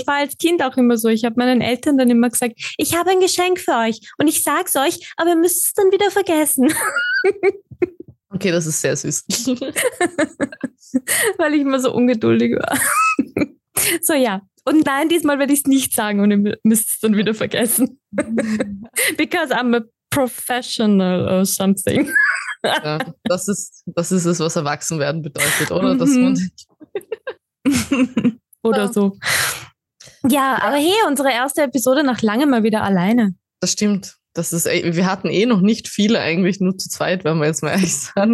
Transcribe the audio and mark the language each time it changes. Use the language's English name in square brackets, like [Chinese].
[German] Ich war als Kind auch immer so. Ich habe meinen Eltern dann immer gesagt, ich habe ein Geschenk für euch und ich sage es euch, aber ihr müsst es dann wieder vergessen. Okay, das ist sehr süß. Weil ich immer so ungeduldig war. So, ja. Und nein, diesmal werde ich es nicht sagen und ihr müsst es dann wieder vergessen. [English] Because I'm a professional or something. [German] Ja, das ist es, was Erwachsenwerden bedeutet, oder? Mhm. Dass man oder so. Ja, aber hey, unsere erste Episode nach langem mal wieder alleine. Das stimmt. Wir hatten eh noch nicht viele eigentlich, nur zu zweit, wenn wir jetzt mal ehrlich sagen.